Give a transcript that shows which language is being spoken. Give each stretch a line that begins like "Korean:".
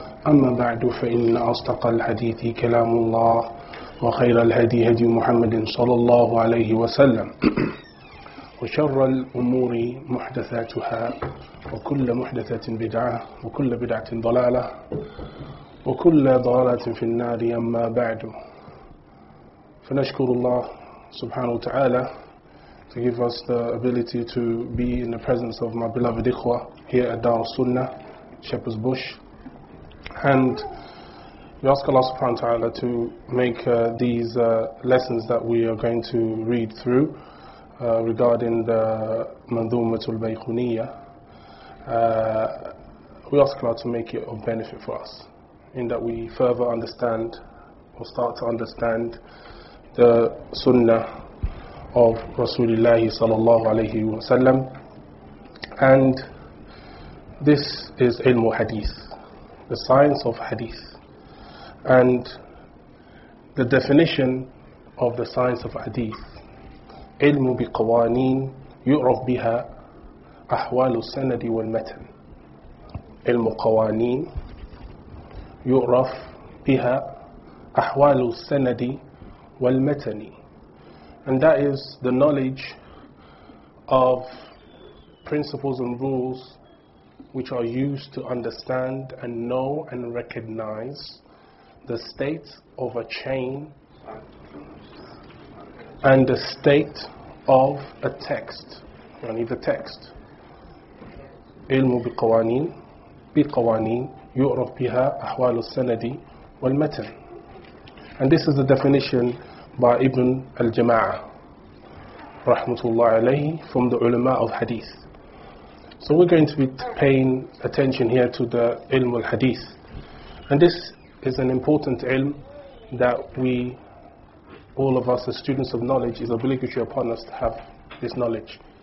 Arabic: أما بعد، فإن أصدق الحديث كلام الله وخير الهدي هدي محمد صلى الله عليه وسلم، وشر الأمور محدثاتها وكل محدثة بدعة وكل بدعة ضلالة وكل ضلالة في النار، أما بعد. فنشكر الله سبحانه وتعالى
English: to give us the ability to be in the presence of my beloved إخوة here at Dar Sunnah, Shepherd's Bush. And we ask Allah subhanahu wa ta'ala to make these lessons that we are going to read through regarding the Mandhumatul Baykhuniyya, we ask Allah to make it of benefit for us, in that we further understand or start to understand the Sunnah of Rasulullah sallallahu alayhi wa sallam. And this is ilmu hadith, the science of hadith. And the definition of the science of hadith:
Arabic: علم بقوانين يعرف بها أحوال السند والمتن. علم قوانين يعرف بها أحوال السند والمتن.
English: And that is the knowledge of principles and rules which are used to understand and know and recognize the state of a chain and the state of a text. You need the text.
Arabic: علم بقوانين بقوانين يعرف بها أحوال السند والمتن.
English: And this is the definition by Ibn al-Jama'ah rahmatullah alayhi, from the ulama of hadith. So we're going to be paying attention here to the ilm al-hadith. And this is an important ilm that we, all of us as students of knowledge, is obligatory upon us to have this knowledge.